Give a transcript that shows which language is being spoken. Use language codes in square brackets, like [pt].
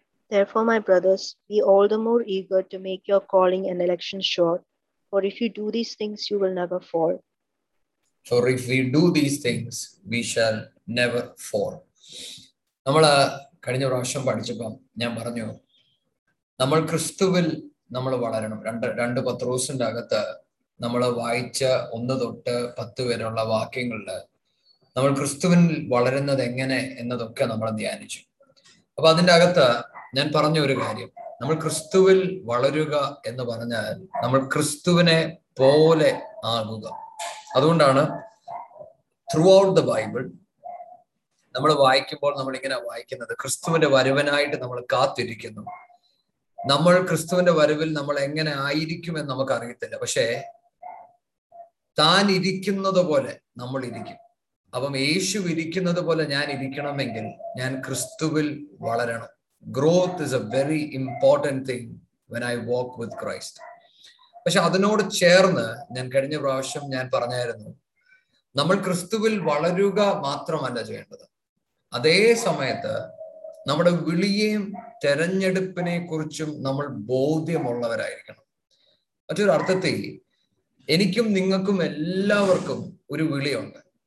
[en] Therefore, my brothers, be all the more eager to make your calling and election sure. For if you do these things, you will never fall. For if we do these things, we shall never fall. [ml] നമ്മളെ കഴിഞ്ഞ പ്രാവശ്യം പഠിച്ചപ്പം ഞാൻ പറഞ്ഞു നമ്മൾ ക്രിസ്തുവിൽ നമ്മൾ വളരണം. രണ്ട് പത്രോസിന്റെ അകത്ത് നമ്മൾ വായിച്ച 1 തൊട്ട് 10 വരെയുള്ള വാക്യങ്ങളുടെ നമ്മൾ ക്രിസ്തുവിൽ വളരുന്നത് എങ്ങനെ എന്നതൊക്കെ നമ്മൾ ധ്യാനിച്ചു. അപ്പൊ അതിൻ്റെ അകത്ത് ഞാൻ പറഞ്ഞ ഒരു കാര്യം, നമ്മൾ ക്രിസ്തുവിൽ വളരുക എന്ന് പറഞ്ഞാൽ നമ്മൾ ക്രിസ്തുവിനെ പോലെ ആകുക. അതുകൊണ്ടാണ് [en] throughout the Bible [ml] നമ്മൾ വായിക്കുമ്പോൾ നമ്മൾ ഇങ്ങനെ വായിക്കുന്നത്, ക്രിസ്തുവിന്റെ വരവനായിട്ട് നമ്മൾ കാത്തിരിക്കുന്നു. നമ്മൾ ക്രിസ്തുവിന്റെ വരവിൽ നമ്മൾ എങ്ങനെ ആയിരിക്കുമെന്ന് നമുക്കറിയത്തില്ല, പക്ഷേ താൻ ഇരിക്കുന്നത് പോലെ നമ്മൾ ഇരിക്കും. അപ്പം യേശു ഇരിക്കുന്നത് പോലെ ഞാൻ ഇരിക്കണമെങ്കിൽ ഞാൻ ക്രിസ്തുവിൽ വളരണം. [en] Growth is a very important thing when I walk with Christ. [ml] പക്ഷെ അതിനോട് ചേർന്ന് ഞാൻ കഴിഞ്ഞ പ്രാവശ്യം ഞാൻ പറഞ്ഞായിരുന്നു നമ്മൾ ക്രിസ്തുവിൽ വളരുക മാത്രമല്ല ചെയ്യേണ്ടത്, അതേ സമയത്ത് നമ്മുടെ വിളിയെയും തെരഞ്ഞെടുപ്പിനെ കുറിച്ചും നമ്മൾ ബോധ്യമുള്ളവരായിരിക്കണം. മറ്റൊരു അർത്ഥത്തിൽ എനിക്കും നിങ്ങൾക്കും എല്ലാവർക്കും ഒരു വിളിയുണ്ട്.